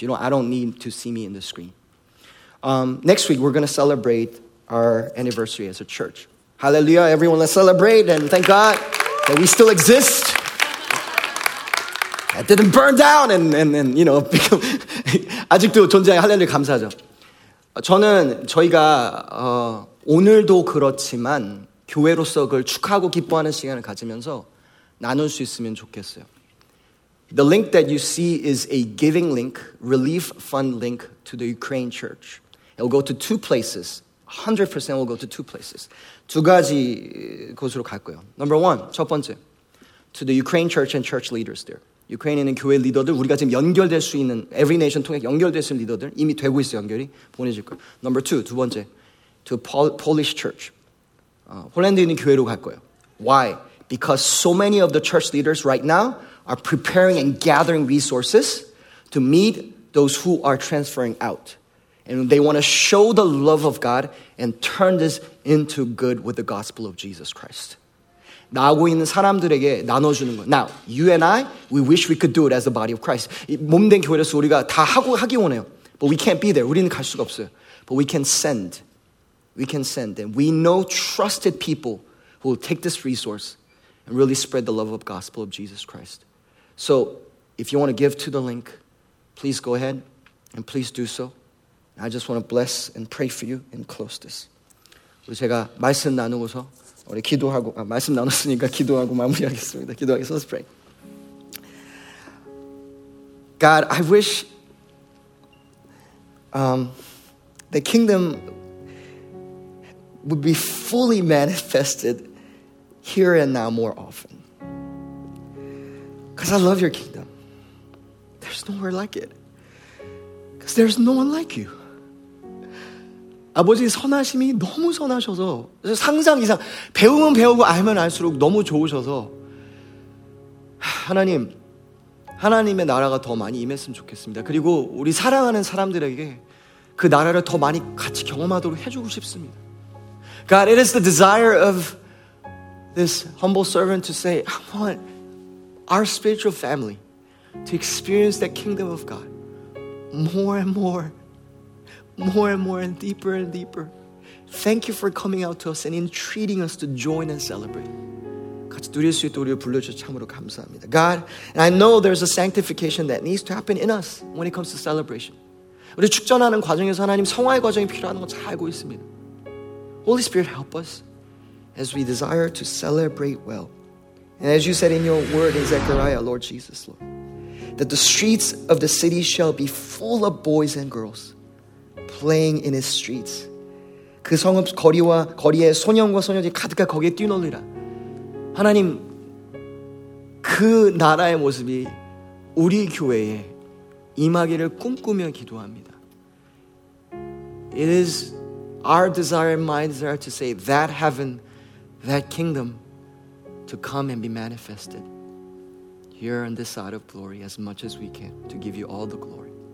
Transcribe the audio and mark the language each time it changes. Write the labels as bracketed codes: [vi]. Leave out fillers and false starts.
[en] You know, I don't need to see me in the screen. Next week, we're going to celebrate our anniversary as a church. Hallelujah, everyone, let's celebrate, and thank God that we still exist. That didn't burn down, and you know, become [ko] 아직도 존재해, 할렐루야, 감사하죠. 저는 저희가 오늘도 그렇지만 교회로서 그걸 축하하고 기뻐하는 시간을 가지면서 나눌 수 있으면 좋겠어요. [en] The link that you see is a giving link, relief fund link to the Ukraine church. It will go to two places. 100% will go to two places. [ko] 두 가지 곳으로 갈 거예요. [en] Number one, [ko] 첫 번째, [en] to the Ukraine church and church leaders there. [ko] 유크레인에 있는 교회 리더들, 우리가 지금 연결될 수 있는 every nation 통해 연결될 수 있는 리더들 이미 되고 있어요, 연결이. 보내줄 거예요. [en] Number two, [ko] 두 번째, [en] to a Polish church. [ko] 폴란드에 있는 교회로 갈 거예요. [en] Why? Because so many of the church leaders right now are preparing and gathering resources to meet those who are transferring out. And they want to show the love of God and turn this into good with the gospel of Jesus Christ. [ko] 나하고 있는 사람들에게 나눠주는 거예요. [en] Now, you and I, we wish we could do it as the body of Christ. [ko] 몸된 교회에서 우리가 다 하기 원해요. [en] But we can't be there. [ko] 우리는 갈 수가 없어요. [en] But we can send. We can send. And we know trusted people who will take this resource and really spread the love of gospel of Jesus Christ. So, if you want to give to the link, please go ahead and please do so. And I just want to bless and pray for you and close this. [ko] 우리 제가 말씀 나누고서 우리 기도하고 말씀 나눴으니까 기도하고 마무리하겠습니다. 기도하겠습니다. [en] Let's pray. God, I wish the kingdom would be fully manifested here and now more often. Because I love your kingdom. There's nowhere like it. Because there's no one like you. [ko] 아버지 선하심이 너무 선하셔서 상상 이상 배우면 배우고 알면 알수록 너무 좋으셔서 하나님, 하나님의 나라가 더 많이 임했으면 좋겠습니다. 그리고 우리 사랑하는 사람들에게 그 나라를 더 많이 같이 경험하도록 해주고 싶습니다. [en] God, it is the desire of this humble servant to say, I want our spiritual family to experience that kingdom of God more and more, more and more, and deeper and deeper. Thank you for coming out to us and entreating us to join and celebrate. [ko] 같이 누릴 수 있도록 우리를 불러주셔서 참으로 감사합니다. [en] God, and I know there's a sanctification that needs to happen in us when it comes to celebration. [ko] 우리 축전하는 과정에서 하나님 성화의 과정이 필요한 건 잘 알고 있습니다. [en] Holy Spirit, help us as we desire to celebrate well. And as you said in your word in Zechariah, Lord Jesus, Lord, that the streets of the city shall be full of boys and girls playing in its streets. [ko] 그 성읍 거리와 거리에 소년과 소녀들이 가득하게 거기에 뛰놀리라. 하나님, 그 나라의 모습이 우리 교회에 임하기를 꿈꾸며 기도합니다. [en] It is our desire and my desire to say that heaven, that kingdom to come and be manifested here on this side of glory as much as we can to give you all the glory.